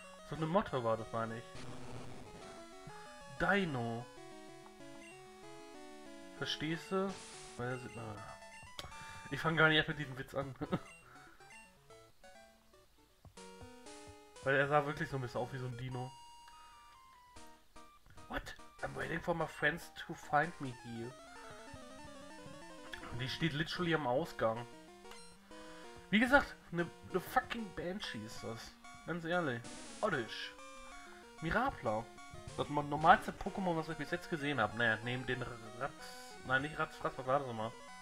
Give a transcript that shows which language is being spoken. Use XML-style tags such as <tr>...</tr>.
<de>So eine Motte war das, meine ich. Dino. Verstehst du? Ich fange gar nicht erst mit diesem Witz an. Weil er sah wirklich so ein bisschen aus wie so ein Dino.</de> <en>What? I'm waiting for my friends to find me here.</en> <de>Die steht literally am Ausgang. Wie gesagt, eine fucking Banshee ist das. Ganz ehrlich. Oddish. Mirapla. Das normalste Pokémon, was ich bis jetzt gesehen habe. Naja, neben den Ratz. Nein, nicht Ratzfratz, was war das nochmal?</de>